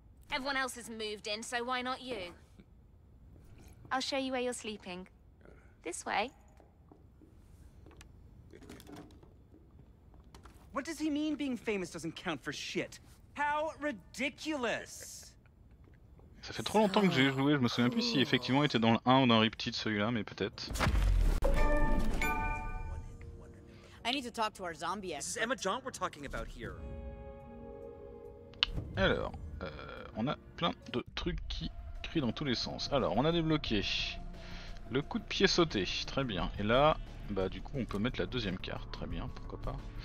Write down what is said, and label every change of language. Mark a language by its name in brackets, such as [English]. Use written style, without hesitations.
[English] Everyone else has moved in, so why not you? I'll show you where you're sleeping. This way. What does he mean being famous doesn't count for shit? How ridiculous! [French] Ça fait trop longtemps que j'ai joué, je me souviens plus si effectivement il était dans le 1 ou dans le repeat de celui-là, mais peut-être. [English] I need to talk to our zombie expert. This is Emma Jaunt we're talking about here. [French] Alors, on a plein de trucs qui crient dans tous les sens. Alors, on a débloqué le coup de pied sauté, très bien. Et là, bah du coup on peut mettre la deuxième carte, très bien, pourquoi pas.